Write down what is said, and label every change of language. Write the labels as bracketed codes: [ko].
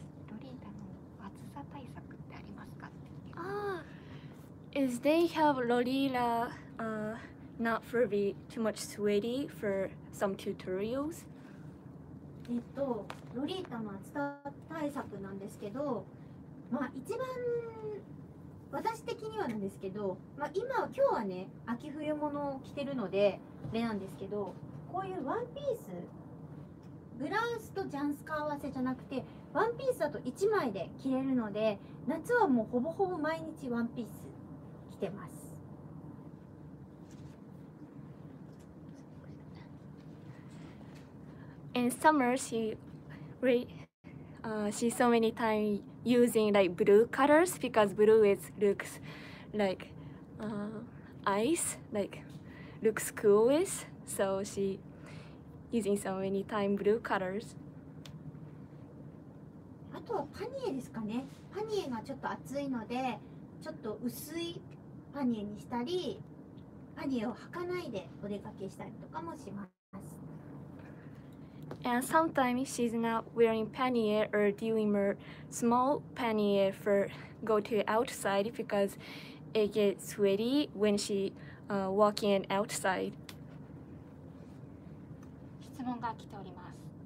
[ja] ロリータの暑さ対策ってありますかっていう。 [en] ああ、is they have Lolita not for be too much sweaty for some tutorials? [ja] ロリータの暑さ対策なんですけど、まあ一番私的にはなんですけど、まあ、今日はね秋冬物を着てるのでれなんですけど、こういうワンピース、ブラウスとジャンスカー合わせじゃなくてワンピースだと1枚で着れるので、夏はもうほぼほぼ毎日ワンピース着てます。 [en] In summer she's so many time using like blue colors because blue is looks like ice, like looks coolest. So she using so many time blue colors. [ja] あとはパニエですかね。パニエがちょっと厚いのでちょっと薄いパニエにしたり、パニエを履かないでお出かけしたりとかもします。 [en] And sometimes she's not wearing pannier or doing more small pannier for go to outside because it gets sweaty when she walking outside. [ja] 質問が来ております。